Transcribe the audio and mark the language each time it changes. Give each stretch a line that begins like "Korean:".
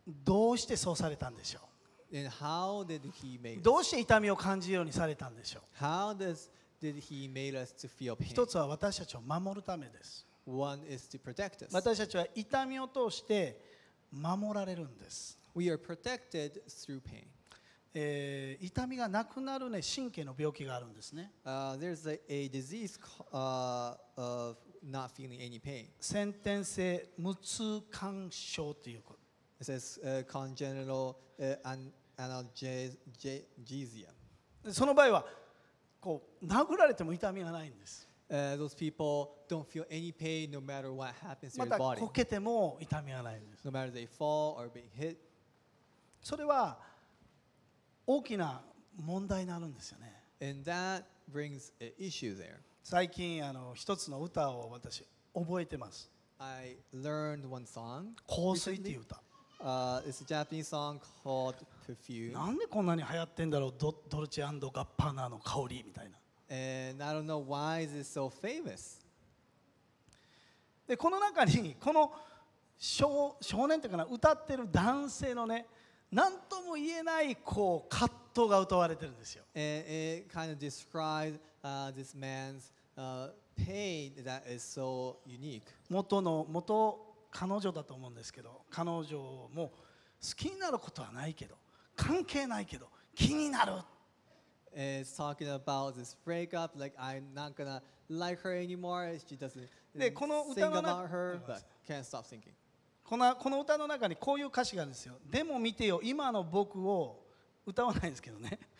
Japanese: どうしてそうされたんでしょう。
English: And how did He make?
Japanese: どうして痛みを感じるようにされたんでしょう。
English: How does Did he made us to feel pain?
Japanese: 一つは私たちを守るためです。
English: One is to protect us.
Japanese: 私たちは痛みを通して守られるんです。
English: We are protected through pain.
Japanese: 痛みがなくなる、ね、神経の病気があるんですね。
English: There's a disease of not feeling any pain.
Japanese: 先天性無痛感症という。
English: It says congenital analgesia.
Japanese: その場合はこう殴られても痛みがないんです。
English: Those people don't feel any pain no matter what happens to their body.
Japanese: またこけても痛みがないんです。
English: No matter they fall or be hit.
Japanese: それは大きな問題になるんですよね。
English: And that brings an issue there.
Japanese: 最近あの一つの歌を私覚えてます。
English: I learned one song.
Japanese: 香水っていう歌。
English: It's a Japanese song called Perfume.
Japanese: なんでこんなに流行ってんだろう、ドルチェ&ガッパーナの香りみたいな。
English: And I don't know why is it so famous.
Japanese: でこの中にこの 少年というかな歌ってる男性のね何とも言えないこう葛藤が歌われてるんですよ。
English: It kind of describes this man's pain that is so unique.
Japanese: 元彼女だと思うんですけど、彼女も好きになることはないけど関係ないけど気になる。
English: It's talking about this breakup. Like I'm not gonna like her anymore. She doesn't think about her, but can't stop thinking.
Japanese: この歌の中にこういう歌詞があるんですよ。でも見てよ、今の僕を歌わないですけどね。